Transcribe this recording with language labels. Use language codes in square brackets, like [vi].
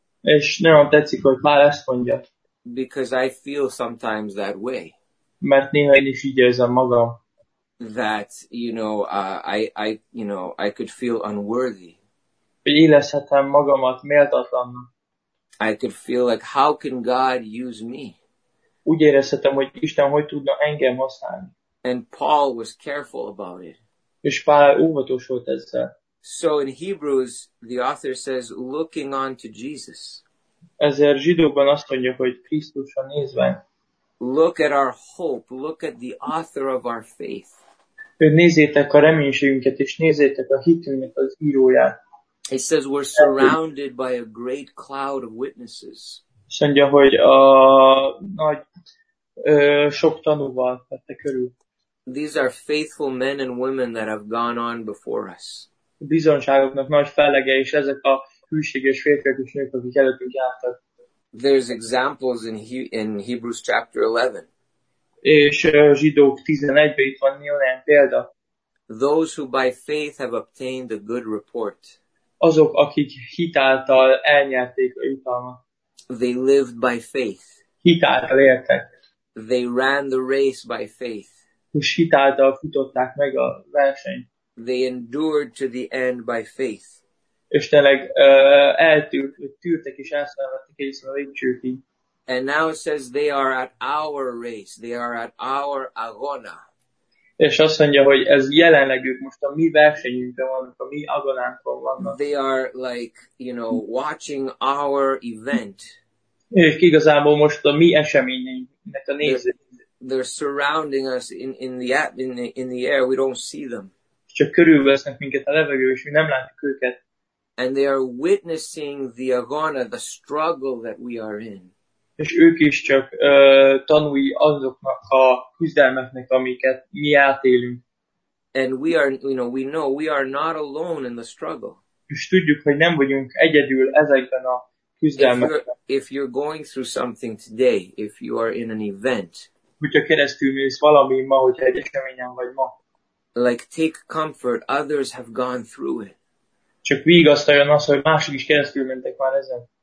[hu] És nagyon tetszik, hogy Pál ezt mondja. [en] Because I feel sometimes that way. [hu] Mert néha én is így érzem magam. [en] That, you know, I could feel unworthy. [hu] Hogy érezhetem magamat méltatlannak. [en] I could feel like, how can God use me? [hu] Úgy érezhetem, hogy Isten hogy tudna engem használni. [en] And Paul was careful about it. [hu] És Pál óvatos volt ezzel. [en] So in Hebrews, the author says, looking on to Jesus. [hu] Ezért zsidóban azt mondja, hogy Krisztusra nézve. [en] Look at our hope, look at the author of our faith. [hu] Nézzétek a reménységünket, és nézzétek a hitünknek az íróját. [en] He says, we're surrounded by a great cloud of witnesses. [hu] És mondja, hogy a nagy, sok tanúval tette körül. [en] These are faithful men and women that have gone on before us. [hu] bizonságoknak nagy felege, és ezek a hűséges férfiak és nők, akik előttünk jártak. [en] There's examples in Hebrews chapter 11. [hu] És Zsidók 11-ben itt van néhány példa. [en] Those who by faith have obtained a good report. [hu] Azok, akik hitáltal elnyerték a jutalmat. [en] They lived by faith. [hu] Hitáltal éltek. [en] They ran the race by faith. [hu] És hitáltal futották meg a versenyt. [en] They endured to the end by faith. [hu] És tényleg tűrtek és elszenvedtek egészen a végcsőkig. [en] And now it says they are at our race. They are at our agona. [hu] És azt mondja, hogy ez jelenleg ők most a mi versenyünkben vannak, a mi agonánkon vannak. [en] They are like, you know, watching our event. [hu] És igazából most a mi eseményünknek a nézők. [en] They're surrounding us in the air. We don't see them. [hu] Csak körülvesznek minket a levegő, és mi nem látjuk őket. [en] And they are witnessing the agona, the struggle that we are in. [hu] És ők is csak tanulj azoknak a küzdelmeknek, amiket mi átélünk. [en] And we are, you know we are not alone in the struggle. [hu] És tudjuk, hogy nem vagyunk egyedül ezekben a küzdelmekben. [en] If you're going through something today, if you are in an event. [hu] Hogyha keresztülmész valami ma, hogyha egy eseményen vagy ma. [en] Like take comfort, others have gone through it. [hu] Csak vigasztaljon az, hogy mások is keresztülmentek már ezen.